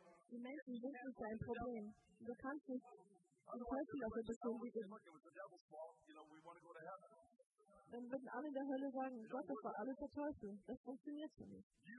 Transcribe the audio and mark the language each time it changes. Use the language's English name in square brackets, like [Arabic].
[German] Die Menschen wissen, es ist ein Problem. Du kannst nicht. [English] Otherwise, we're like, it was the devil's fault, you know, we want to go to heaven. [German] dann würden alle in der Hölle sagen, Gott, das war alles der Teufel. Das funktioniert so nicht.